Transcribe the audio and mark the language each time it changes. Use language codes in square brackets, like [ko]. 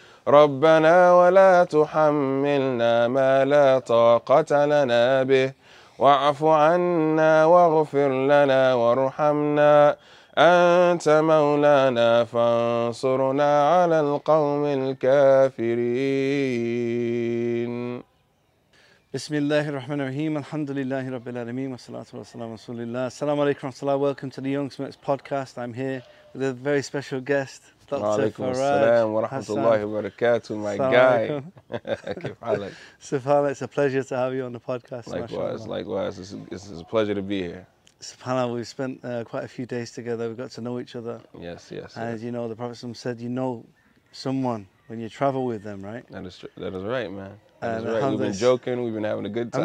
[ar] ربنا ولا تحملنا ما لا طاقة لنا به واعف عنا واغفر لنا وارحمنا أنت مولانا فانصرنا على القوم الكافرين بسم الله الرحمن الرحيم الحمد لله رب العالمين والصلاة والسلام على رسول الله السلام عليكم ورحمة الله [en] Welcome to the Young Smokes podcast. I'm here with a very special guest, Dr. [ar] Faraj Hassan. وعليكم السلام ورحمة الله وبركاته, [en] my guy. [ar] كيف حالك؟ [en] سبحانه, it's a pleasure to have you on the podcast. Likewise. It's a pleasure to be here. SubhanAllah, we've spent quite a few days together. We got to know each other. Yes. And yes. You know, the Prophet said, you know someone when you travel with them, right? That is right, man. That is right. We've been joking. We've been having a good time.